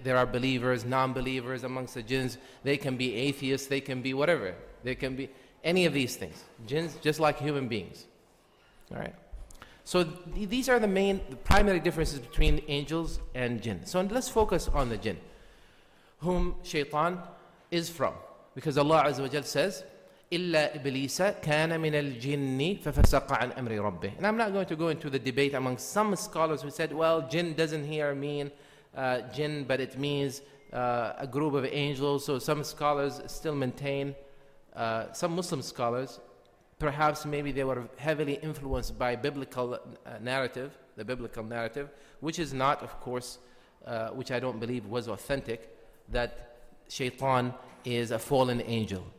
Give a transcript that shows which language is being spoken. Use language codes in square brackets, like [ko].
[en] There are believers, non-believers amongst the jinns. They can be atheists, they can be whatever. They can be any of these things. Jinns, just like human beings. All right. So these are the primary differences between angels and jinn. So let's focus on the jinn, whom shaitan is from. Because Allah Azza wa Jalla says, [ar] إِلَّا إِبْلِيسَ كَانَ مِنَ الْجِنِّ فَفَسَقَ عَنْ أَمْرِ رَبِّهِ. [en] And I'm not going to go into the debate among some scholars who said, well, jinn doesn't here mean jinn, but it means a group of angels. So some scholars still maintain, some Muslim scholars, perhaps maybe they were heavily influenced by biblical narrative, the biblical narrative, which is not, of course, which I don't believe was authentic, that shaitan is a fallen angel.